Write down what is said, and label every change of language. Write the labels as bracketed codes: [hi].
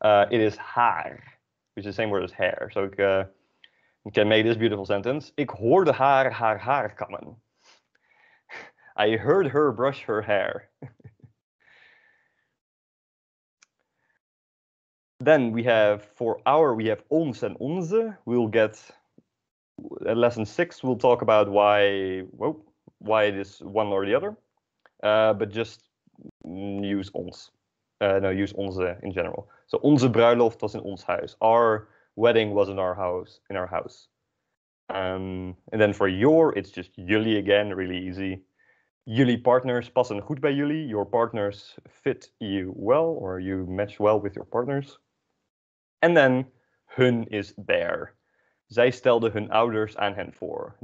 [en] It is haar, which is the same word as hair. So ik can make this beautiful sentence. [nl] Ik hoorde haar haar haar kammen. [en] I heard her brush her hair. Then we have for our, we have ons en onze. We'll get lesson 6. We'll talk about why it is one or the other. But just use ons. No, use onze in general. [nl] So onze bruiloft was in ons huis. [en] Our wedding was in our house. And then for your, it's just jullie again, really easy. [nl] Jullie partners passen goed bij jullie. [en] Your partners fit you well, or you match well with your partners. And then hun is there. [nl] Zij stelden hun ouders aan hen voor.